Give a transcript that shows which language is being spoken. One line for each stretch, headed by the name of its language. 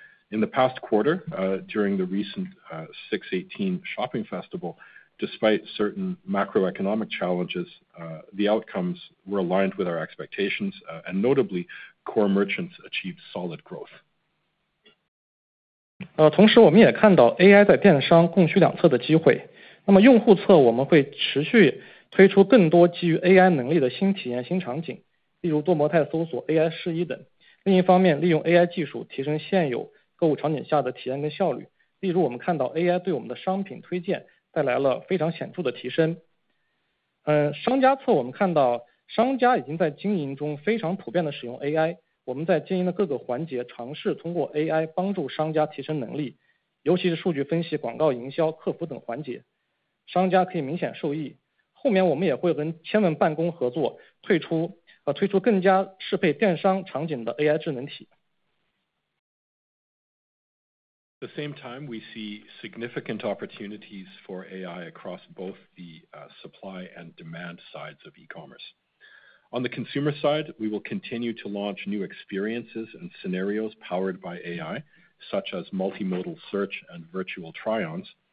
English: In the past quarter, during the recent 618 shopping festival, despite certain macroeconomic challenges, the outcomes were aligned with our expectations, and notably, core merchants achieved solid growth.
Chinese: 同时我们也看到 AI 在电商供需两侧的机会。那么用户侧，我们会持续推出更多基于 AI 能力的新体验、新场景，例如多模态搜索 AI 试衣等。另一方面，利用 AI 技术提升现有购物场景下的体验跟效率。例如，我们看到 AI 对我们的商品推荐带来了非常显著的提升。商家侧，我们看到商家已经在经营中非常普遍的使用 AI。我们在经营的各个环节尝试通过 AI 帮助商家提升能力，尤其是数据分析、广告营销、客服等环节，商家可以明显受益。后面我们也会跟千问办公合作，推出更加适配电商场景的 AI 智能体。
English: At the same time, we see significant opportunities for AI across both the supply and demand sides of e-commerce. On the consumer side, we will continue to launch new experiences and scenarios powered by AI, such as multimodal search and virtual try-ons.